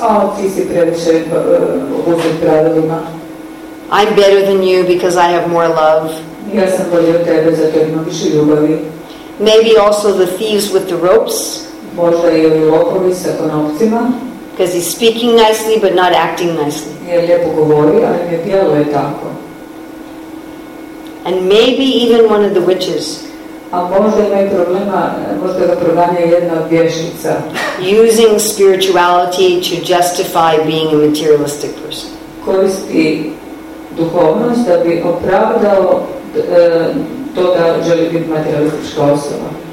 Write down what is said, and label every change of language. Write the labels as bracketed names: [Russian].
[Croatian] Oh, ti si previše obuzet pravilima. [English] I'm better than you because I have more love. [Croatian] Ja sam bolje od tebe zato imam više ljubavi. [English] Maybe also the thieves with the ropes. [Croatian] Možda i ovi lopovi sa konopcima. [English] Because he's speaking nicely but not acting nicely. [Croatian] Jer lijepo govori, ali ne djeluje tako. [English] And maybe even one of the witches. [Croatian] A možda ima i problema, možda ga proganja jedna od vješnica. [English] Using spirituality to justify being a materialistic person. [Croatian] Koristi duhovnost da bi opravdao to da želi biti materialistička osoba.